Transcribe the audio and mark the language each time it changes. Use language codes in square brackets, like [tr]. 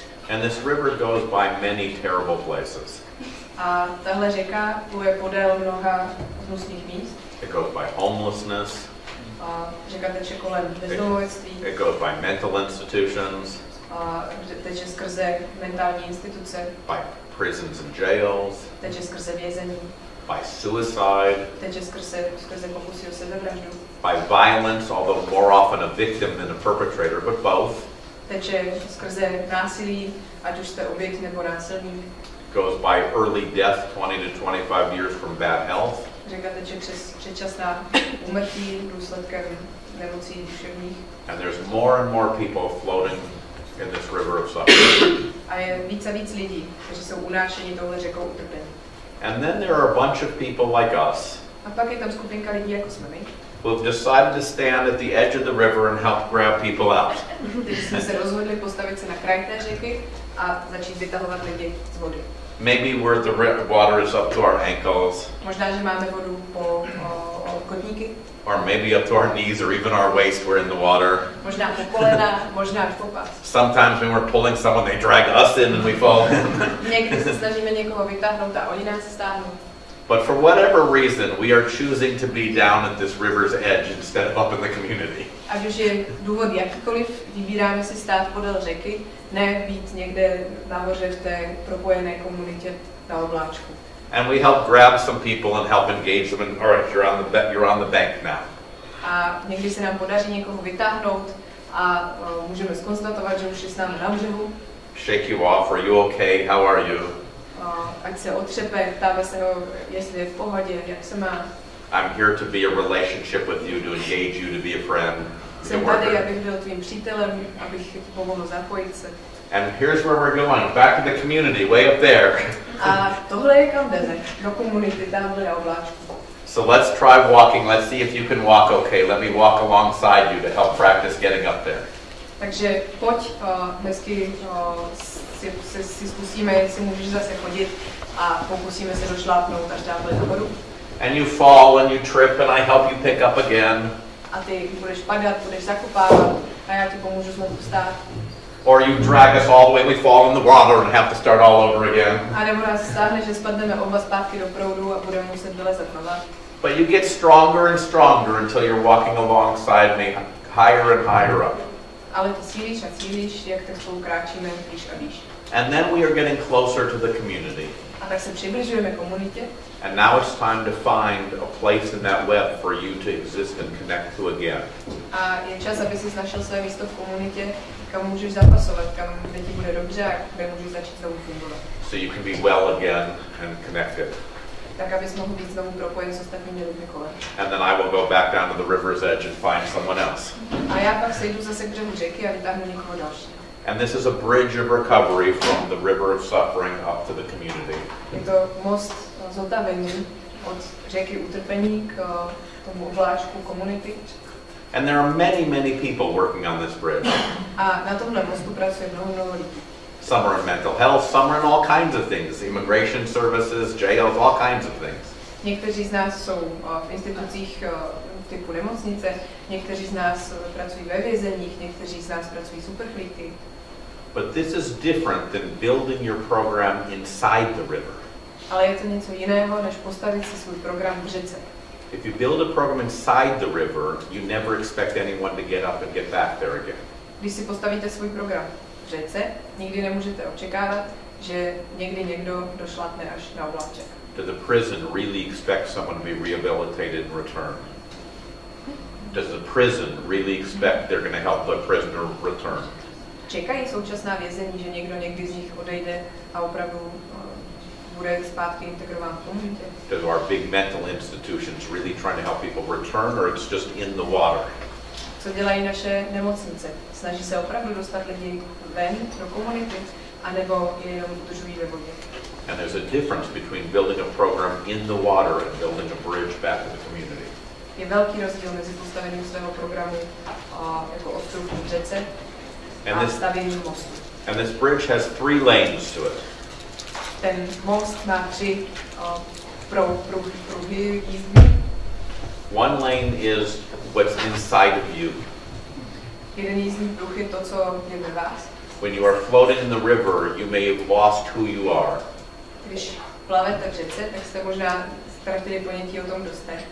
[en] And this river goes by many terrible places. [cs] A tahle řeka pluje podél mnoha hnusných míst. [en] It goes by homelessness. [cs] A řeka teče kolem bezdomovectví. [en] It goes by mental institutions. [cs] A teče skrze mentální instituce. [en] By prisons and jails. [cs] Teče skrze vězení. [en] By suicide. [cs] Teče skrze pokusy o sebevraždu. [en] By violence, although more often a victim than a perpetrator, but both. [cs] Teče skrze násilí, ať už jste oběť nebo násilník. [en] Goes by early death, 20 to 25 years from bad health. [cs] Řeka teče předčasná úmrtí důsledkem nemocí duševních. [en] And there's more and more people floating in this river of suffering. [cs] A je víc a víc lidí, kteří jsou unášeni touhle řekou utrpení. [en] And then there are a bunch of people like us. [cs] A pak je tam skupinka lidí jako jsme my. [en] Who have decided to stand at the edge of the river and help grab people out. [cs] Teď jsme se rozhodli postavit se na kraj té řeky a začít vytahovat lidi z vody. [en] Maybe where the water is up to our ankles. [cs] Možná, že máme vodu po kotníky. [en] Or maybe up to our knees or even our waist, we're in the water. [cs] Možná po kolena, možná až po pas. [en] Sometimes when we're pulling someone, they drag us in and we fall in. [cs] Někdy se snažíme někoho vytáhnout a oni nás stáhnou. [en] But for whatever reason, we are choosing to be down at this river's edge instead of up in the community. [cs] Ať už je důvod jakýkoliv, vybíráme si stát podél řeky, ne být někde nahoře v té propojené komunitě na obláčku. [en] And we help grab some people and help engage them. And, all right, you're on the bank now. [cs] A někdy se nám podaří někoho vytáhnout a můžeme skonstatovat, že už je s námi na břehu. [en] Shake you off, are you okay, how are you? [cs] Ať se otřepe, ptáme se ho, jestli je v pohodě, jak se má. [en] I'm here to be a relationship with you, to engage you, to be a friend. [cs] Jsem tady, abych byl tvým přítelem, abych ti pomohl zapojit se. [en] And here's where we're going, back to the community, way up there. [cs] A tohle je kam jdeme, do komunity, tamhle na obláčku. [en] So let's try walking, let's see if you can walk okay, let me walk alongside you to help practice getting up there. [cs] Takže pojď hezky si zkusíme, jestli můžeš zase chodit a pokusíme se došlápnout až dál nahoru. [en] And you fall and you trip and I help you pick up again. [cs] A ty budeš padat, budeš zakopávat a já ti pomůžu znovu vstát. [en] Or you drag us all the way, we fall in the water and have to start all over again. [cs] A nebo nás stáhne, že spadneme oba zpátky do proudu a budeme muset vylezat znova. [en] But you get stronger and stronger until you're walking alongside me, higher and higher up. [cs] Ale ty cílíš a cílíš, jak tak spolu kráčíme výš a výš. [en] And then we are getting closer to the community. [cs] A tak se přibližujeme komunitě. [en] And now it's time to find a place in that web for you to exist and connect to again. [cs] A je čas, aby jsi našel své místo v komunitě, kam můžeš zapasovat, kam kde ti bude dobře a kde můžeš začít znovu fungovat. [en] So you can be well again and connected. [cs] Tak abys mohl být znovu propojen s ostatními lidmi kolem. [en] And then I will go back down to the river's edge and find someone else. [cs] A já pak sejdu zase k břehu řeky a vytáhnu někoho dalšího. [en] And this is a bridge of recovery from the river of suffering up to the community. [cs] Je to most zotavení od řeky utrpení k tomu obláčku komunity. [en] And there are many, many people working on this bridge. [cs] A na tomhle mostu pracuje mnoho lidí. [en] Some are in mental health, some are in all kinds of things, immigration services, jails, all kinds of things. [cs] Někteří z nás jsou v institucích typu nemocnice, někteří z nás pracují ve vězeních, někteří z nás pracují s uprchlíky. [en] But this is different than building your program inside the river. [cs] Ale je to něco jiného, než postavit si svůj program v řece. [en] If you build a program inside the river, you never expect anyone to get up and get back there again. [cs] Když si postavíte svůj program v řece, nikdy nemůžete očekávat, že někdy někdo došlapne až na oblaček. [en] Does the prison really expect someone to be rehabilitated and return? Does the prison really expect they're going to help the prisoner return? [cs] Čekají současná vězení, že někdo někdy z nich odejde a opravdu bude zpátky integrován v komunitě? [en] Does our big mental institutions really trying to help people return, or it's just in the water? [cs] Co dělají naše nemocnice? Snaží se opravdu dostat lidi ven do komunity, anebo je jenom udržují ve vodě? [en] And there's a difference between building a program in the water and building a bridge back to the community. [cs] Je velký rozdíl mezi postavením svého programu jako ostrov v řece a stavěním mostu. [en] And this bridge has three lanes to it. [cs] Ten most má tři pruhy. [en] One lane is what's inside of you. [cs] Jeden jízdní pruh je to, co je ve vás. [en] When you are floating in the river, you may have lost who you are. [cs] Když plavete v řece, tak jste možná ztratili ponětí o tom, kdo jste.